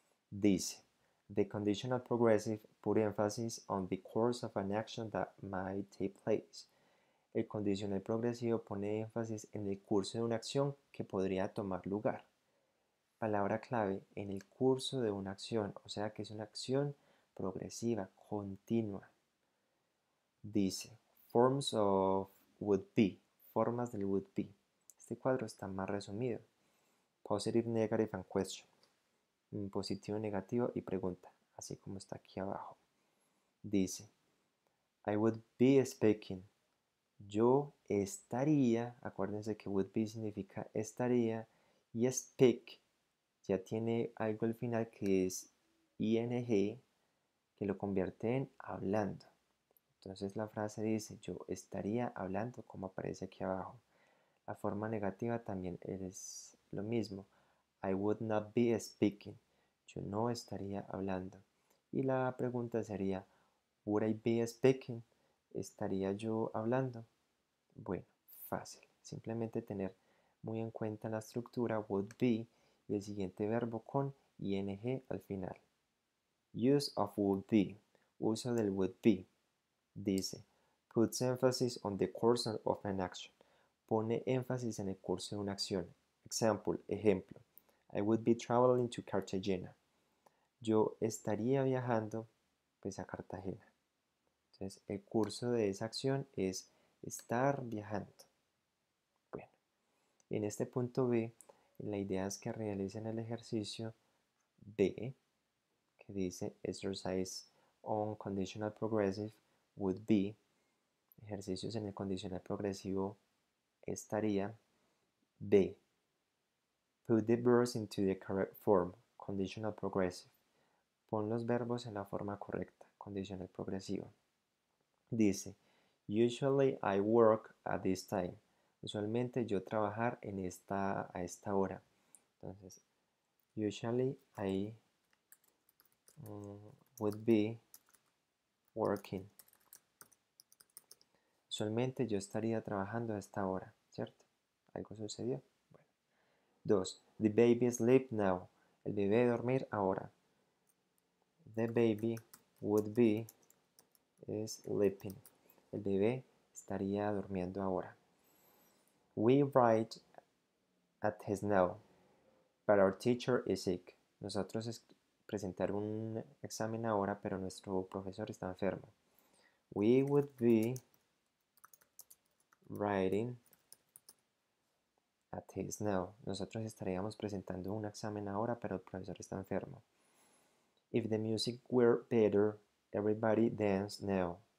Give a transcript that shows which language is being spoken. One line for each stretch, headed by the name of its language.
English: Dice, the conditional progressive put emphasis on the course of an action that might take place.
Spanish: El condicional progresivo pone énfasis en el curso de una acción que podría tomar lugar. Palabra clave, en el curso de una acción, o sea que es una acción progresiva, continua.
English: Dice, forms of would be,
Spanish: formas del
English: would be.
Spanish: Este cuadro está más resumido.
English: Positive, negative and question.
Spanish: Positivo, negativo y pregunta, así como está aquí abajo. Dice,
English: I would be speaking.
Spanish: Yo estaría, acuérdense que would be significa estaría, y speak ya tiene algo al final que es ing, que lo convierte en hablando. Entonces la frase dice, yo estaría hablando como aparece aquí abajo. La forma negativa también es lo mismo.
English: I would not be speaking.
Spanish: Yo no estaría hablando. Y la pregunta sería,
English: would I be speaking?
Spanish: ¿Estaría yo hablando? Bueno, fácil. Simplemente tener muy en cuenta la estructura would be y el siguiente verbo con ing al final.
English: Use of would be.
Spanish: Uso del
English: would be. Dice, puts emphasis on the course of an action.
Spanish: Pone énfasis en el curso de una acción. Example, ejemplo.
English: I would be traveling to Cartagena.
Spanish: Yo estaría viajando, pues, a Cartagena. Entonces, el curso de esa acción es estar viajando. En este punto B, la idea es que realicen el ejercicio B, que dice
English: Exercise on Conditional Progressive would be.
Spanish: Ejercicios en el condicional progresivo estaría. B.
English: Put the verbs into the correct form, conditional progressive.
Spanish: Pon los verbos en la forma correcta, condicional progresivo.
English: Dice, usually I work at this time.
Spanish: Usualmente yo trabajar en esta a esta hora.
English: Entonces, usually I would be working.
Spanish: Usualmente yo estaría trabajando a esta hora, ¿cierto? ¿Algo sucedió? Bueno. Dos.
English: The baby sleep now.
Spanish: El bebé dormir ahora.
English: The baby would be sleeping.
Spanish: El bebé estaría durmiendo ahora.
English: We write at his now, but our teacher is sick.
Spanish: Nosotros es presentar un examen ahora, pero nuestro profesor está enfermo.
English: We would be writing at his now.
Spanish: Nosotros estaríamos presentando un examen ahora, pero el profesor está enfermo.
English: If the music were better, everybody dance now.